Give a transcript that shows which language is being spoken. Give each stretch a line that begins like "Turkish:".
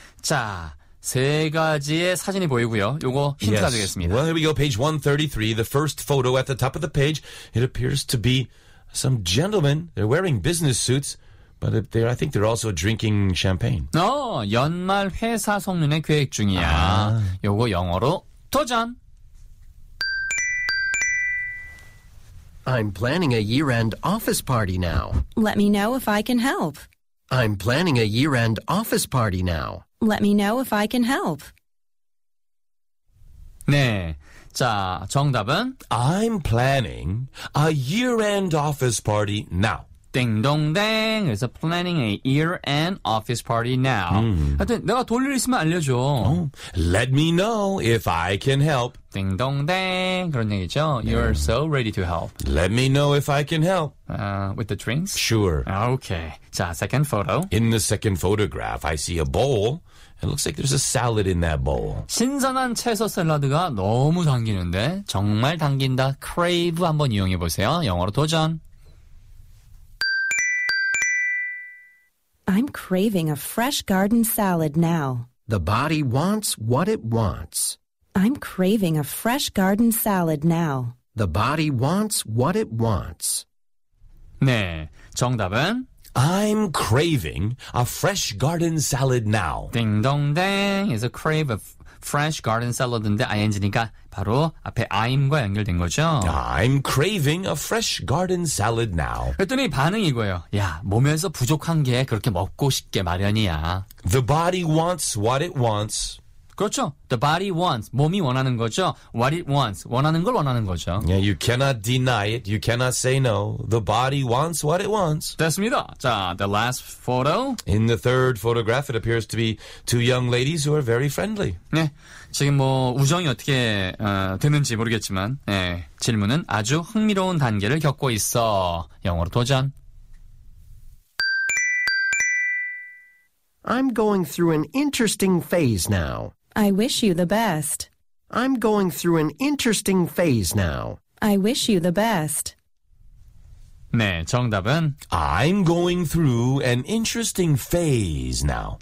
Korean: 자, 세 가지의 사진이 보이고요. 요거 힌트가
English: yes.
Korean: 되겠습니다.
English: Well, here we go. Page 133. The first photo at the top of the page. It appears to be some gentlemen. They're wearing business suits. But they're, I think they're also drinking champagne.
Korean: 어, 연말 회사 송년회 계획 중이야. 아. 요거 영어로 도전!
English: I'm planning a year-end office party now. Let me know if I can help. I'm planning a year-end office party now. Let me know if I can help.
Korean: 네. 자, 정답은?
English: I'm planning a year-end office party now.
Korean: 띵동댕. 그래서
English: planning a year-end office party now. Mm.
Korean: 하여튼 내가 도울 일 있으면 알려줘.
English: Oh. Let me know if I can help.
Korean: 띵동댕. 그런 얘기죠.
English: Yeah. You're so ready to help. Let me know if I can help. With the drinks? Sure. Okay. 자, second photo. In the second photograph, I see a bowl. It looks like there's a salad in that bowl.
Korean: 신선한 채소 샐러드가 너무 당기는데 정말 당긴다. Crave 한번 이용해 보세요. 영어로 도전.
English: I'm craving a fresh garden salad now. The body wants what it wants. I'm craving a fresh garden salad now. The body wants what it wants.
Korean: 네, 정답은?
English: I'm craving a fresh garden salad now.
Korean: 띵동댕.
English: It's a crave of fresh garden salad
Korean: 인데 ing니까 바로 앞에 I'm과 연결된 거죠.
English: I'm craving a fresh garden salad now.
Korean: 그랬더니 반응이 이거예요. 야, 몸에서 부족한 게 그렇게 먹고 싶게 마련이야.
English: The body wants what it wants.
Korean: 그렇죠.
English: The body wants.
Korean: 몸이 원하는 거죠.
English: What it wants.
Korean: 원하는 걸 원하는 거죠.
English: Yeah, you cannot deny it. You cannot say no. The body wants what it wants.
Korean: 됐습니다. 자,
English: the last photo. In the third photograph, it appears to be two young ladies who are very friendly.
Korean: 네. 지금 뭐 우정이 어떻게 되는지 모르겠지만 네, 질문은 아주 흥미로운 단계를 겪고 있어. 영어로 도전.
English: I'm going through an interesting phase now. I wish you the best. I'm going through an interesting phase now. I wish you the best.
Korean: 네, 정답은
English: I'm going through an interesting phase now.